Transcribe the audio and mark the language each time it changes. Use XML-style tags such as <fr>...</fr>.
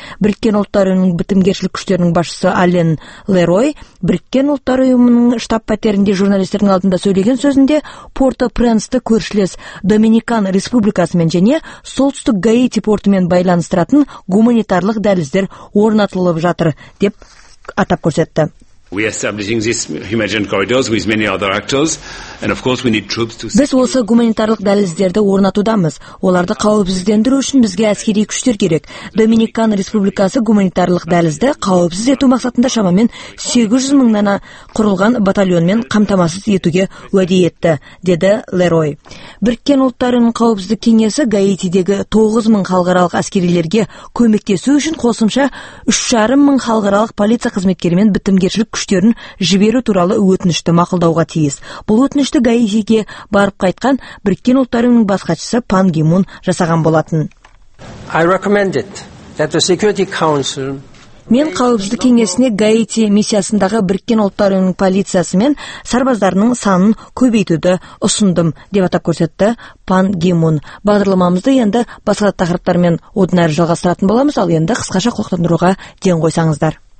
<kk>Біріккен ұлттар ұйымының бітімгершілік күштерінің басшысы Ален Лерой Біріккен ұлттар ұйымының штаб-пәтерінде журналистердің алдында сөйлеген сөзінде Порто-Пренсті көршілес Доминикан республикасымен және солтүстік Гаити портымен байланыстыратын гуманитарлық дәліздер орнатылып жатыр деп атап көрсетті.</kk> <en>We are establishing this humanitarian corridors with many other actors, and of course we need troops to.</en> <kk>Біз осы гуманитарлық дәліздерді орнатудамыз. Оларды қауіпсіздендіру үшін бізге әскери күштер керек. Доминикан Республикасы гуманитарлық дәлізді қауіпсіз ету мақсатында шамамен 800 мыңнан құрылған батальонмен қамтамасыз етуге уәде етті, деді Лерой. Біріккен ұлттарының қауіпсіздік кеңесі Гаитидегі 9 мың халықаралық әскерилерге көмектесу үшін қосымша 3,5 мың халықаралық полиция қызметкерімен бітімгершілік күштерін жіберу туралы өтінішті мақұлдауға тиіс. Бұл өтінішті Гаитиге барып қайтқан Біріккен ұлттарының бас хатшысы Пан Ги Мун жасаған болатын.</kk> <en>I recommend it that the Security Council.</en> <kk>Мен қауіпсіздік кеңесіне Гаити миссиясындағы Біріккен ұлттарының полициясы мен сарбаздарының санын көбейтуді ұсындым, деп атап көрсетті Пан Ги Мун. Бағдарламамызды енді басқа тақырыптармен одан әрі жалғастыратын боламыз, ал енді қысқаша қорытындыруға ден қойсаңыздар.</kk>